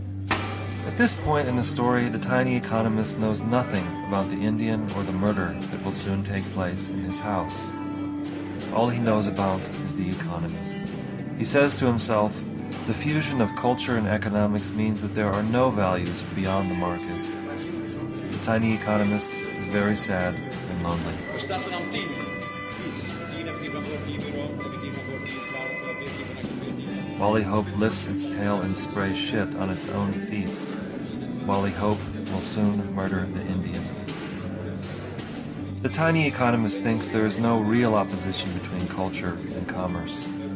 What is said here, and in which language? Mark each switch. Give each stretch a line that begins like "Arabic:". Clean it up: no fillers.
English: At this point in the story, the tiny economist knows nothing about the Indian or the murder that will soon take place in his house. All he knows about is the economy. He says to himself, the fusion of culture and economics means that there are no values beyond the market. The tiny economist is very sad and lonely. We start on 10.
Dutch: 10 heb ik hier van voor 10 euro. Heb ik hier van voor 10, 12, 14, 14.
English: Wally Hope lifts its tail and sprays shit on its own feet. Wally Hope will soon murder the Indian. The tiny economist thinks there is no real opposition between culture and commerce.